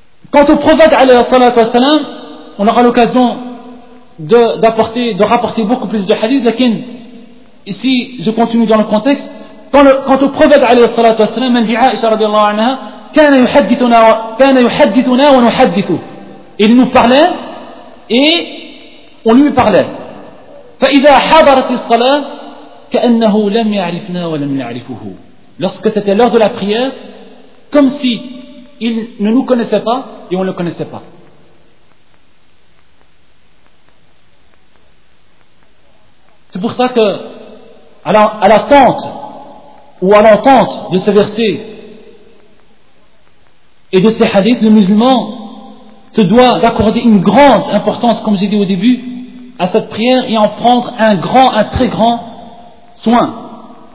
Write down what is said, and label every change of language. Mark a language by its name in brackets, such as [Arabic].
[French] Quant au prophète, alayhi salatu wa salam, on aura l'occasion de rapporter beaucoup plus de hadiths. Lakin, ici, je continue dans le contexte. Quant au prophète عليه الصلاة والسلام, elle dit Aïcha [Arabic] رضي الله عنها, كان يحدثنا ونحدثه. [French] Il nous parlait et on lui parlait. [Arabic] فإذا حضرت الصلاة كأنه لم يعرفنا ولم نعرفه. [French] Lorsque c'était l'heure de la prière, comme si il ne nous connaissait pas et on ne le connaissait pas. C'est pour ça que à l'attente ou à l'entente de ce verset et de ces hadiths, le musulman se doit d'accorder une grande importance, comme j'ai dit au début, à cette prière et en prendre un très grand soin.